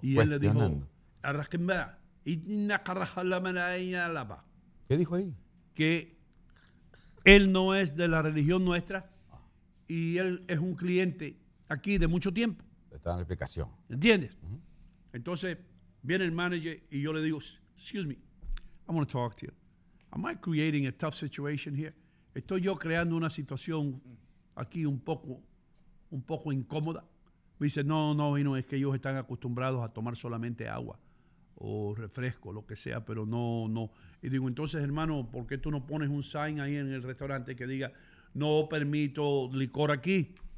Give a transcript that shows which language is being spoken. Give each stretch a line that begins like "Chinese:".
Spanish: Y él le dijo, arrasquenba, y na carraja la malaya la pa. ¿Qué dijo ahí? Que él no es de la religión nuestra y él es un cliente aquí de mucho tiempo. Está en la explicación. ¿Entiendes? Uh-huh. Entonces viene el manager y yo le digo,
English: excuse me, I'm going to talk to you. Am I creating a tough situation here?
Spanish: Estoy yo creando una situación aquí un poco incómoda. Me dice, no, y no, es que ellos están acostumbrados a tomar solamente agua o refresco, lo que sea, pero no. Y digo, entonces, hermano, ¿por qué tú no pones un sign ahí en el restaurante que diga, no permito licor aquí?